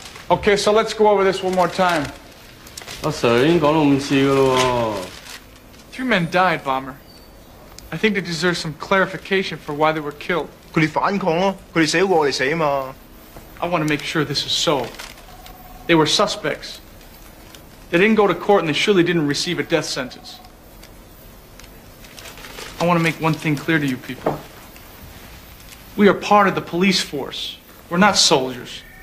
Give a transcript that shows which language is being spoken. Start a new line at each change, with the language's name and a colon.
English: Okay, so let's go over this one more time.
Cantonese: Oh, sir, 已经讲了五次了。
English: Two men died, bomber. I think they deserve some clarification for why they were killed.
Cantonese: 他们反抗咯，他们死过我哋死嘛。
English: I want to make sure this is so. They were suspects. They didn't go to court and they surely didn't receive a death sentence. I want to make one thing clear to you people. We are part of the police force. We're not soldiers.